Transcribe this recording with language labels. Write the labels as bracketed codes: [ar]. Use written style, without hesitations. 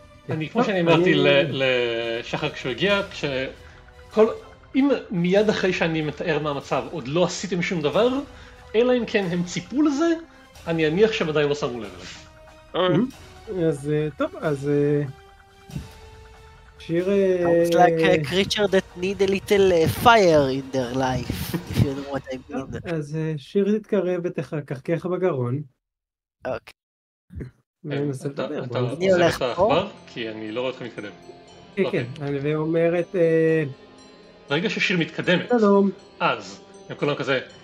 [he] אני, כמו שאני אמרתי לשחר כשהוא הגיע, כשכל... אם מיד אחרי שאני מתאר מה המצב עוד לא עשיתם שום דבר, אלא אם כן הם ציפו לזה, אני אניח שעדיין לא שמו לב אליי. אז טוב, אז... שיר... [en] It's like a creature that need a little fire in their life, if you know what I mean. [he] אז שיר תתקרב ותקחקח בגרון. אוקיי. אני הולך פה? כי אני לא רואה אתכם מתקדם. כן, כן, ואומרת... ברגע ששיר מתקדמת, שלום. אז, הם כולם כזה...